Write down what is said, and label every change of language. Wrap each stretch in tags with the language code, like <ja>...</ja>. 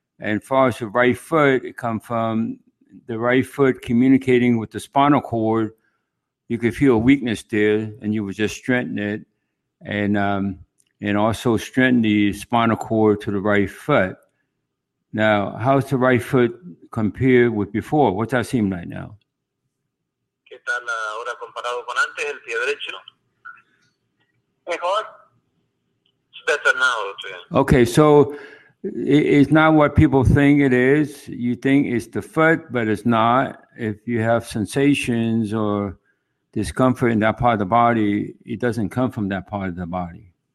<en>And far as the right foot, it come from the right foot communicating with the spinal cord. You could feel a weakness there, and you would just strengthen it. And also strengthen the spinal cord to the right foot. Now, how's the right foot compared with before? What's that seem like now?</en> <es>¿Qué tal ahora comparado con antes, el pie derecho? Mejor.</es> <en>It's better now, doctor. Okay, so it's not what people think it is. You think it's the foot, but it's not. If you have sensations or discomfort in that part of the body, it doesn't come from that part of the body.</en>